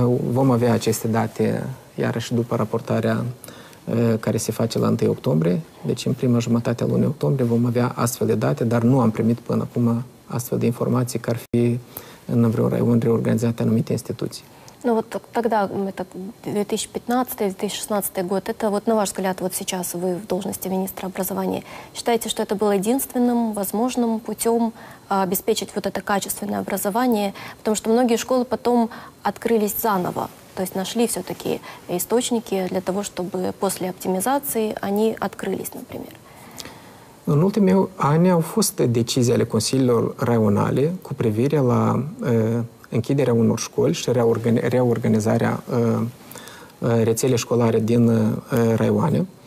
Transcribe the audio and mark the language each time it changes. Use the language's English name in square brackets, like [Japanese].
[Romanian] Vom avea aceste date iarăși după raportarea care se face la 1 octombrie, deci în prima jumătate a lunii octombrie vom avea astfel de date, dar nu am primit până acum astfel de informații că ar fi în vreun raion reorganizate anumite instituții. [Russian] Ну вот тогда, это 2015-2016 год, это вот на ваш взгляд, вот сейчас вы в должности министра образования, считаете, что это было единственным возможным путем обеспечить вот это качественное образование, потому что многие школы потом открылись заново, то есть нашли все-таки источники для того, чтобы после оптимизации они открылись, например? [Romanian] În ultimii ani au fost decizii ale consiliilor raionale cu privire la închiderea unor școli și reorganizarea rețelei școlare din raioane.